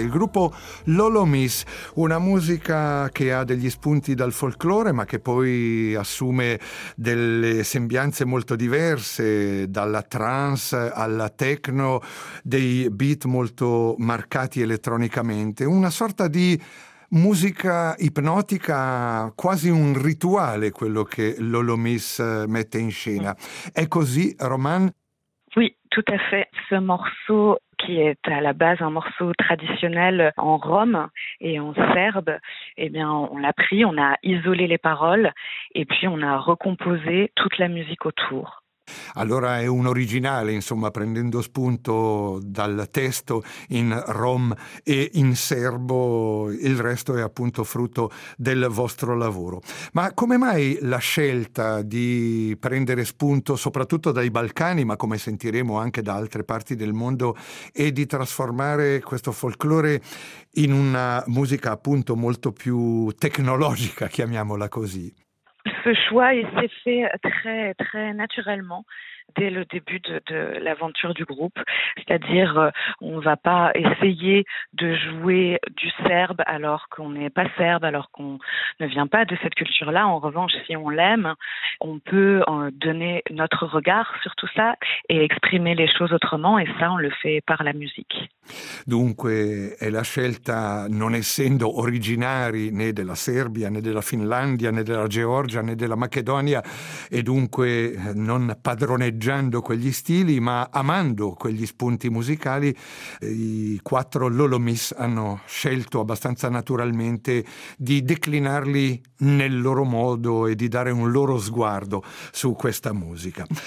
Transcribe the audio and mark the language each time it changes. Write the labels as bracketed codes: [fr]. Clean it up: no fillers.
[it] Il gruppo L'Holomis, una musica che ha degli spunti dal folklore ma che poi assume delle sembianze molto diverse, dalla trance alla techno, dei beat molto marcati elettronicamente, una sorta di musica ipnotica, quasi un rituale quello che L'Holomis mette in scena. È così, Romain? [fr] Oui, tout à fait. Ce morceau qui est à la base un morceau traditionnel en rom et en serbe, eh bien, on l'a pris, on a isolé les paroles et puis on a recomposé toute la musique autour. [it] Allora è un originale, insomma, prendendo spunto dal testo in rom e in serbo, il resto è appunto frutto del vostro lavoro. Ma come mai la scelta di prendere spunto soprattutto dai Balcani, ma come sentiremo anche da altre parti del mondo, e di trasformare questo folklore in una musica appunto molto più tecnologica, chiamiamola così? [fr] Ce choix s'est fait très, très naturellement dès le début de l'aventure du groupe. C'est-à-dire, on ne va pas essayer de jouer du serbe alors qu'on n'est pas serbe, alors qu'on ne vient pas de cette culture-là. En revanche, si on l'aime, on peut donner notre regard sur tout ça et exprimer les choses autrement. Et ça, on le fait par la musique. [it] Dunque è la scelta, non essendo originari né della Serbia né della Finlandia né della Georgia né della Macedonia, e dunque non padroneggiando quegli stili ma amando quegli spunti musicali, i quattro L'Holomis hanno scelto abbastanza naturalmente di declinarli nel loro modo e di dare un loro sguardo su questa musica.